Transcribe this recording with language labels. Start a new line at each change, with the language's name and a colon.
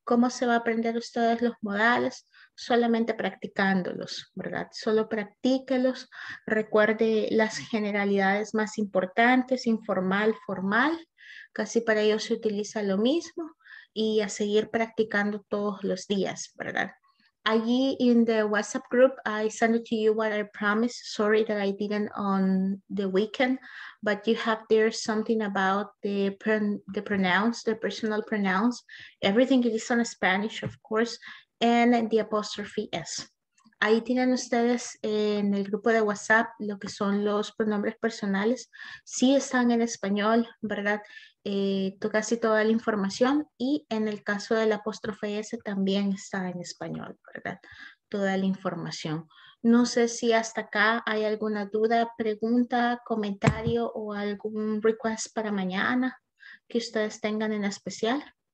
Spanish: ¿Cómo se va a aprender ustedes los modales? Solamente practicándolos, ¿verdad? Solo practíquelos, recuerde las generalidades más importantes, informal, formal. Casi para ellos se utiliza lo mismo y a seguir practicando todos los días, ¿verdad?
English: Allí in the WhatsApp group, I send it to you what I promised. Sorry that I didn't on the weekend, but you have there something about the pronouns, the personal pronouns. Everything is on Spanish, of course, and the apostrophe S.
Spanish: Ahí tienen ustedes en el grupo de WhatsApp lo que son los pronombres personales. Sí están en español, ¿verdad? Casi toda la información. Y en el caso del apóstrofe S también está en español, ¿verdad? Toda la información. No sé si hasta acá hay alguna duda, pregunta, comentario o algún request para mañana que ustedes tengan en especial.